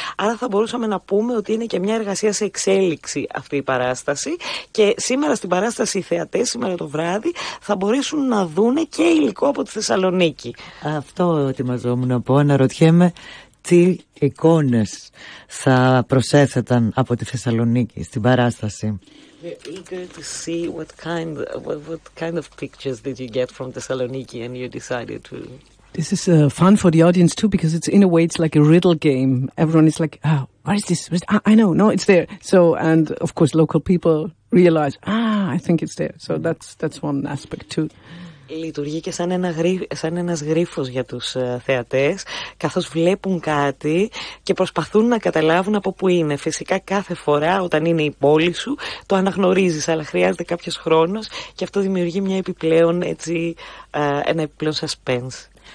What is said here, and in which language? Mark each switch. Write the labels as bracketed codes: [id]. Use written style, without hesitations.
[el] Άρα θα μπορούσαμε να πούμε ότι είναι και μια εργασία σε εξέλιξη αυτή η παράσταση, και σήμερα στην παράσταση οι θεατές, σήμερα το βράδυ, θα μπορέσουν να δούνε και υλικό από τη Θεσσαλονίκη. Αυτό ετοιμαζόμουν να πω, αναρωτιέμαι τι εικόνες θα προσέθεταν από τη Θεσσαλονίκη στην παράσταση. [en] We're eager to see what kind of pictures did you get from Thessaloniki, and you decided to. This is fun for the audience too, because it's in a way it's like a riddle game. Everyone is like, "Ah, oh, where is this? I know, no, it's there." So, and of course, local people realize, "Ah, I think it's there." So that's one aspect too. [el] Λειτουργεί και σαν ένας γρίφος για τους θεατές, καθώς βλέπουν κάτι και προσπαθούν να καταλάβουν από πού είναι. Φυσικά κάθε φορά όταν είναι η πόλη σου το αναγνωρίζεις, αλλά χρειάζεται κάποιος χρόνος και αυτό δημιουργεί μια επιπλέον, έτσι, ένα επιπλέον suspense.